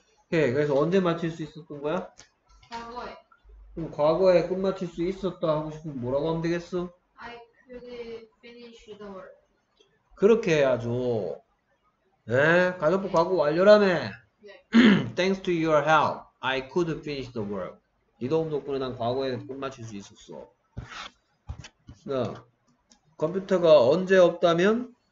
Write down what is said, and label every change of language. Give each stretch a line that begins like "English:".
Korean: 오케이, 그래서 언제 마칠 수 있었던 거야? 과거에. 그럼 과거에 끝마칠 수 있었다 하고 싶으면 뭐라고 하면 되겠어?
English: I could finish the work.
Korean: 그렇게 해야죠. 네, 가족부 과거 완료라며.
English: Thanks to your help, I could finish the work.
Korean: 네 도움 덕분에 난 과거에 끝마칠 수 있었어. 자, 컴퓨터가 언제 없다면?